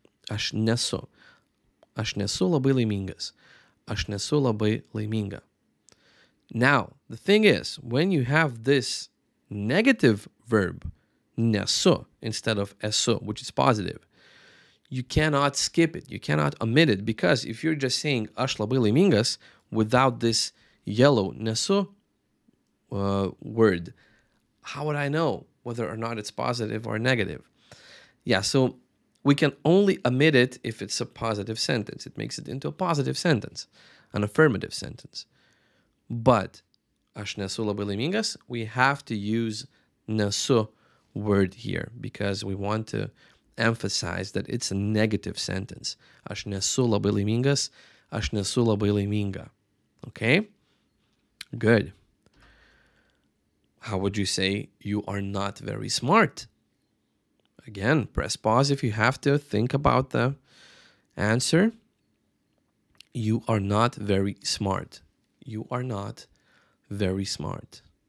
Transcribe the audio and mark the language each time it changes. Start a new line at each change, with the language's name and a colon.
Lithuanian: Aš nesu labai laimingas. Aš nesu labai laiminga.
English: Now, the thing is, when you have this negative verb, nesu, instead of esu, which is positive, you cannot skip it, you cannot omit it, because if you're just saying
Lithuanian: aš labai laimingas
English: without this yellow nesu word, how would I know whether or not it's positive or negative? Yeah, so we can only omit it if it's a positive sentence. It makes it into a positive sentence, an affirmative sentence. But
Lithuanian: aš nesu labai laimingas,
English: we have to use nesu word here because we want to emphasize that it's a negative sentence.
Lithuanian: Aš nesu labai laimingas, aš nesu labai laiminga.
English: Okay? Good. How would you say you are not very smart? Again, press pause if you have to think about the answer. You are not very smart. You are not very smart.